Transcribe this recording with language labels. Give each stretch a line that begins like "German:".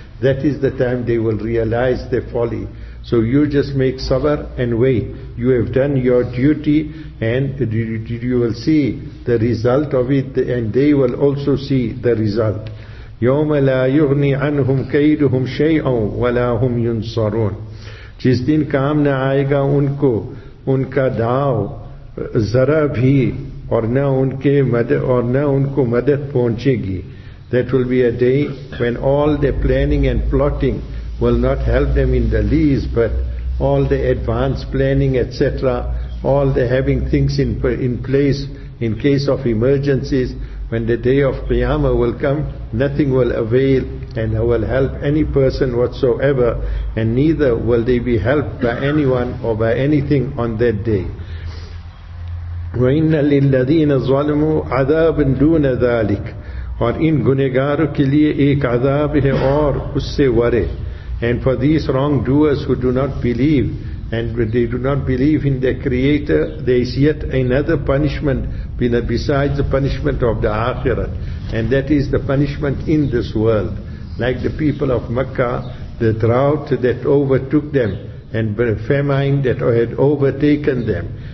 English: That is the time they will realize their folly. So you just make sabr and wait. You have done your duty and you will see the result of it, and they will also see the result.
Arabic: يَوْمَ لَا يُغْنِي عَنْهُمْ كَيْدُهُمْ شَيْئًا وَلَا هُمْ يُنصَرُونَ.
Urdu: جس دن کام نہ آئے گا ان کو ان کا داو ذرا بھی اور نہ ان کے مدد اور نہ ان کو مدد پہنچے گی.
English: That will be a day when all the planning and plotting will not help them in the least, but all the advanced planning, etc., all the having things in place in case of emergencies, when the day of Qiyamah will come, nothing will avail and will help any person whatsoever, and neither will they be helped by anyone or by anything on that day.
Arabic: وَإِنَّ لِلَّذِينَ ظَلَمُوا عَذَابٍ دُونَ ذَلِكَ.
Urdu: اور ان گنہگاروں کے لئے ایک عذاب ہے اور اس سے ورے.
English: And for these wrongdoers who do not believe, and they do not believe in their Creator, there is yet another punishment besides the punishment of the Akhirat, and that is the punishment in this world. Like the people of Mecca, the drought that overtook them, and famine that had overtaken them.